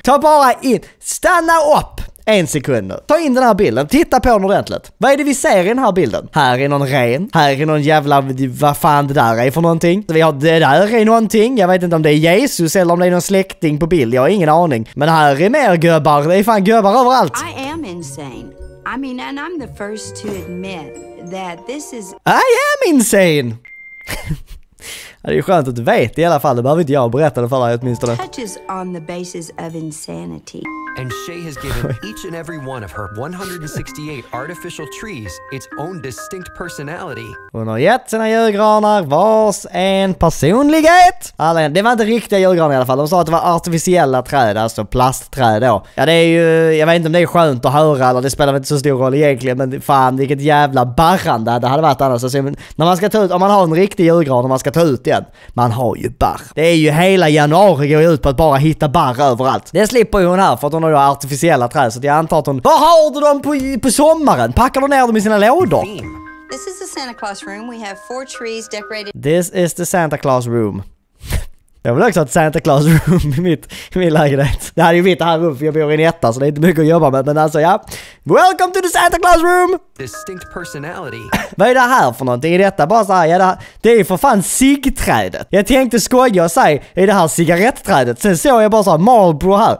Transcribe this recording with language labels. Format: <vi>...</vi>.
<sv>Ta bara in, stanna upp en sekund. Ta in den här bilden, titta på den ordentligt. Vad är det vi ser i den här bilden? Här är någon ren, här är någon jävla, vad fan det där är för någonting. Så vi har, det där är någonting, jag vet inte om det är Jesus eller om det är någon släkting på bild, jag har ingen aning. Men här är mer gubbar, det är fan gubbar överallt.</sv> <en>I am insane. I mean, and I'm the first to admit that this is... I am insane!</en> <sv>Det är ju skönt att du vet i alla fall, det behöver inte jag berätta det för dig åtminstone.</sv> <en>Touches on the basis of insanity. and Shay has given each and every one of her 168 artificial trees its own distinct personality.</en> <sv>Hon har gett sina julgranar vars en personlighet. Alltså, det var inte riktiga julgranar i alla fall. De sa att det var artificiella träd, alltså plastträd då. Ja, det är ju, jag vet inte om det är skönt att höra eller det spelar inte så stor roll egentligen, men fan, vilket jävla barrande det hade varit annars. Alltså, när man ska ta ut, om man har en riktig julgran och man ska ta ut igen, man har ju barr. Det är ju hela januari går ut på att bara hitta barr överallt. Det slipper ju hon här, för att hon har ju artificiella träd, så jag antar att hon, vad har du dem på sommaren? Packar du ner dem i sina lådor?</sv> <en>This is the Santa Claus room. We have four trees decorated. This is the Santa Claus room.</en> <sv>Jag vill också ha ett Santa Claus room i min lägenhet. Det här är ju mitt här rum, för jag bor i en etta, så det är inte mycket att jobba med. Men alltså, ja.</sv> <en>Welcome to the Santa Claus room! Distinct personality.</en> <sv>Vad är det här för någonting? Är detta bara så här, ja, det är ju för fan cigträdet. Jag tänkte skoja och säga, är det här cigarettträdet? Sen såg jag bara så här, Marlboro här.</sv>